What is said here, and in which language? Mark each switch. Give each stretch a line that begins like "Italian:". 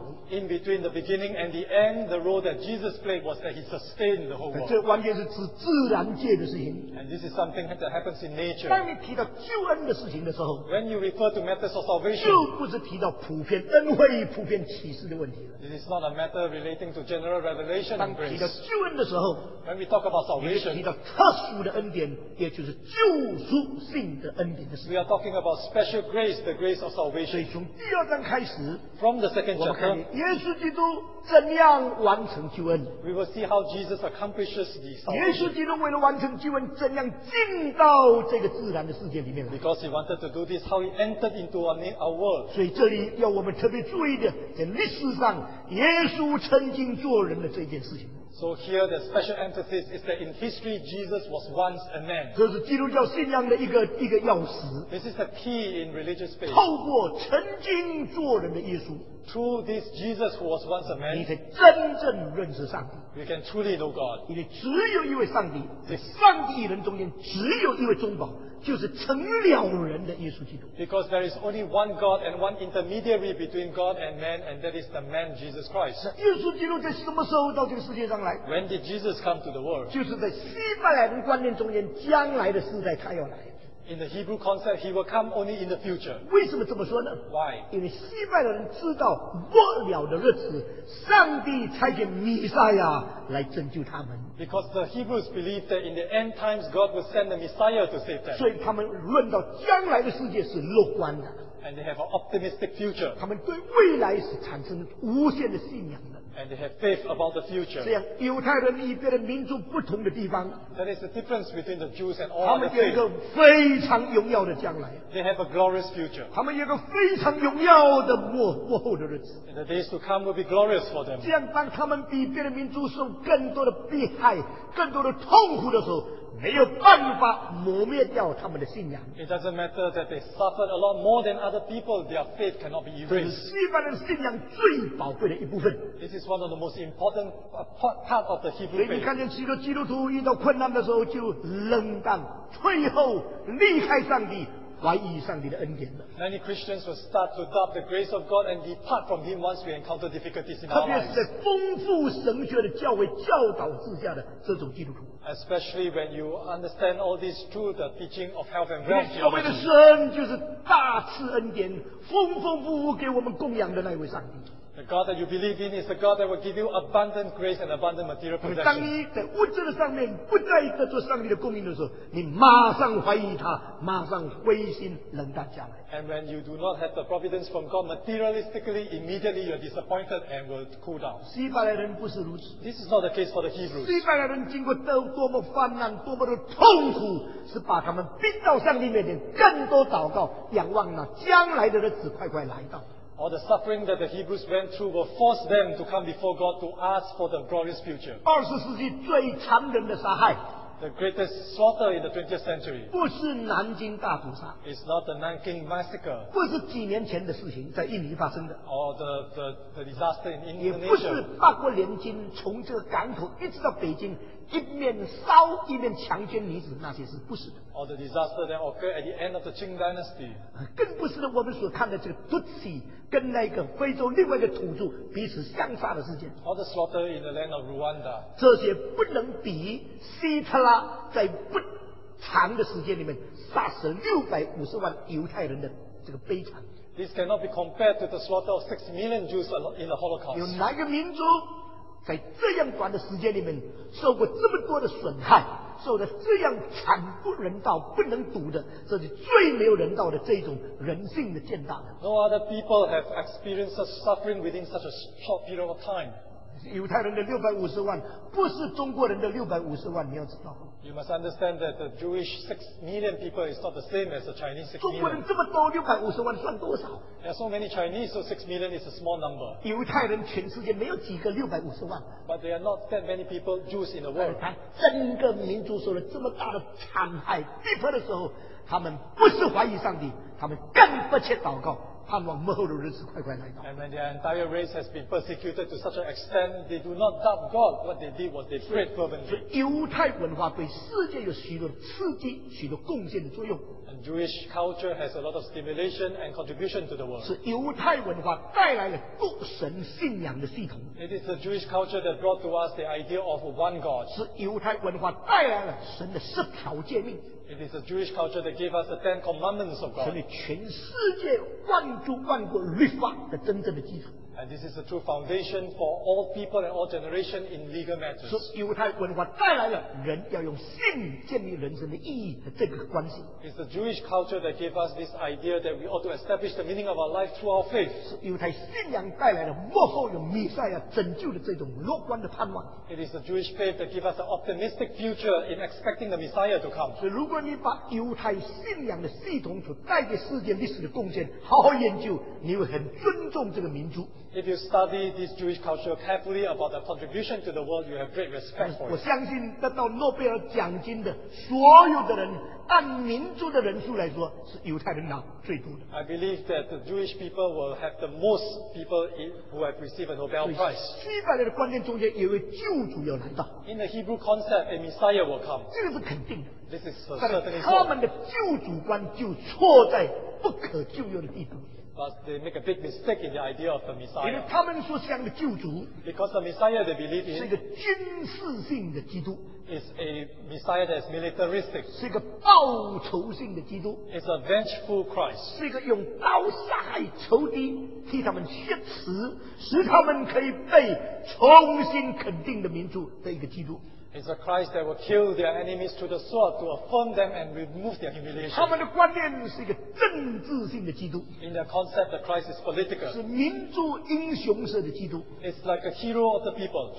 English: In between the beginning and the end, the role that Jesus played was that he sustained the whole world.
Chinese: 这完全是指自然界的事情。
English: And this is something that happens in nature.
Chinese: 当你提到救恩的事情的时候，
English: when you refer to matters of salvation,
Chinese: 就不是提到普遍恩惠、普遍启示的问题了。
English: This is not a matter relating to general revelation and grace.
Chinese: 当提到救恩的时候，
English: when we talk about salvation,
Chinese: 你是提到特殊的恩典，也就是救赎性的恩典的事情。
English: We are talking about special grace, the grace of salvation.
Chinese: 所以从第二章开始，
English: from the second chapter,
Chinese: 耶稣基督怎样完成救恩？
English: We will see how Jesus accomplishes the salvation.
Chinese: 耶稣基督为了完成救恩，怎样进到这个自然的世界里面来？
English: Because he wanted to do this, how he entered into our world.
Chinese: 所以这里要我们特别注意的，在历史上耶稣曾经做人的这件事情。
English: So here the special emphasis is that in history Jesus was once a man.
Chinese: 这是基督教信仰的一个钥匙。
English: This is the key in religious faith.
Chinese: 透过曾经做人的耶稣。
English: Through this Jesus who was once a man.
Chinese: 你才真正认识上帝。
English: We can truly know God.
Chinese: 因为只有一位上帝，在上帝与人中间只有一位中保，就是成了人的耶稣基督。
English: Because there is only one God and one intermediary between God and man, and that is the man Jesus Christ.
Chinese: 耶稣基督在什么时候到这个世界上来？
English: When did Jesus come to the world?
Chinese: 就是在希伯来人观念中间，将来的世代他要来。
English: In the Hebrew concept, he will come only in the future.
Chinese: 为什么这么说呢？
English: Why?
Chinese: 因为希伯来人知道末了的日子，上帝差遣弥赛亚来拯救他们。
English: Because the Hebrews believe that in the end times, God will send the Messiah to save them.
Chinese: 所以他们论到将来的世界是乐观的。
English: And they have an optimistic future.
Chinese: 他们对未来是产生无限的信仰的。
English: And they have faith about the future.
Chinese: 这样，犹太人与别的民族不同的地方，
English: that is the difference between the Jews and all the faith.
Chinese: 他们有一个非常荣耀的将来。
English: They have a glorious future.
Chinese: 他们有一个非常荣耀的末后的日子。
English: And the days to come will be glorious for them.
Chinese: 这样，当他们比别的民族受更多的迫害、更多的痛苦的时候，没有办法磨灭掉他们的信仰。
English: It doesn't matter that they suffered a lot more than other people, their faith cannot be erased.
Chinese: 这是希伯来信仰最宝贵的一部分。
English: This is one of the most important part of the Hebrew faith.
Chinese: 所以你看见许多基督徒遇到困难的时候就冷淡、退后、离开上帝，怀疑上帝的恩典了。
English: Many Christians will start to doubt the grace of God and depart from Him once we encounter difficulties in our lives.
Chinese: 特别是在丰富神学的教会教导之下的这种基督徒。
English: Especially when you understand all these through the teaching of health and wealth.
Chinese: 所谓的施恩就是大赐恩典、丰丰富富给我们供养的那位上帝。
English: The God that you believe in is the God that will give you abundant grace and abundant material possession.
Chinese: 当你在物质的上面不再得着上帝的供应的时候，你马上怀疑他，马上灰心冷淡下来。
English: And when you do not have the providence from God materialistically, immediately you are disappointed and will cool down.
Chinese: 希伯来人不是如此。
English: This is not the case for the Hebrews.
Chinese: 希伯来人经过多么患难、多么的痛苦，是把他们逼到上帝面前，更多祷告，仰望那将来的日子快快来到。
English: All the suffering that the Hebrews went through will force them to come before God to ask for the glorious future.
Chinese: 20世纪最残忍的杀害。
English: The greatest slaughter in the 20th century.
Chinese: 不是南京大屠杀。
English: It's not the Nanking massacre.
Chinese: 不是几年前的事情，在印尼发生的。
English: Or the disaster in Indonesia.
Chinese: 也不是八国联军从这个港口一直到北京，一面烧一面强奸女子那些事，不是的。
English: Or the disaster that occurred at the end of the Qing dynasty.
Chinese: 更不是我们所看的这个 Tutsi 跟那个非洲另外一个土著彼此相杀的事件。
English: Or the slaughter in the land of Rwanda.
Chinese: 这些不能比希特拉在不长的时间里面杀死650万犹太人的这个悲惨。
English: This cannot be compared to the slaughter of 6 million Jews in the Holocaust.
Chinese: 有哪个民族在这样短的时间里面受过这么多的损害，受了这样惨不人道不能读的，这是最没有人道的这种人性的践踏。
English: No other people have experienced such suffering within such a short period of time。
Chinese: 犹太人的650万不是中国人的650万，你要知道。
English: You must understand that the Jewish 6 million people is not the same as the Chinese 6 million。
Chinese: 中国人这么多，650万算多少？
English: There are so many Chinese, so 6 million is a small number。
Chinese: 犹太人全世界没有几个650万。
English: But there are not that many people, Jews in the world。
Chinese: 他整个民族受了这么大的惨害逼迫的时候，他们不是怀疑上帝，他们更迫切祷告，盼望末后的日子快快来到。
English: And when their entire race has been persecuted to such an extent, they do not doubt God. What they did was they prayed fervently.
Chinese: 犹太文化对世界有许多刺激，许多贡献的作用。
English: And Jewish culture has a lot of stimulation and contribution to the world.
Chinese: 是犹太文化带来了独神信仰的系统。
English: It is the Jewish culture that brought to us the idea of one God.
Chinese: 是犹太文化带来了神的十条诫命。
English: It is a Jewish culture that gave us the Ten Commandments of God.
Chinese: 成为全世界万族万国律法的真正的基础。
English: And this is the true foundation for all people and all generation in legal matters.
Chinese: 是犹太文化带来了人要用信建立人生的意义的这个关系。
English: It's the Jewish culture that gave us this idea that we ought to establish the meaning of our life through our faith.
Chinese: 是犹太信仰带来了幕后有弥赛亚拯救的这种乐观的盼望。
English: It is the Jewish faith that gave us an optimistic future in expecting the Messiah to come.
Chinese: 所以如果你把犹太信仰的系统所带给世界历史的贡献好好研究，你会很尊重这个民族。
English: If you study this Jewish culture carefully about the contribution to the world, you have great respect for it.
Chinese: 我相信得到诺贝尔奖金的所有的人，按民族的人数来说，是犹太人拿最多的。
English: I believe that the Jewish people will have the most people who have received a Nobel Prize.
Chinese: 希伯来的观念中间，有位救主要来到。
English: In the Hebrew concept, a Messiah will come.
Chinese: 这个是肯定的。
English: This is for certain.
Chinese: 他们的救主观就错在不可救药的地步。
English: But they make a big mistake in the idea of the Messiah.
Chinese: 因为他们所想的救主，
English: because the Messiah they believe in
Chinese: 是一个军事性的基督，
English: is a Messiah that is militaristic.
Chinese: 是一个报仇性的基督，
English: is a vengeful Christ.
Chinese: 是一个用刀杀害仇敌，替他们血耻，使他们可以被重新肯定的民族的一个基督。
English: It's a Christ that will kill their enemies to the sword to affirm them and remove their humiliation.
Chinese: 他们的观念是一个政治性的基督。
English: In their concept, the Christ is political.
Chinese: 是民族英雄式的基督。
English: It's like a hero of the people.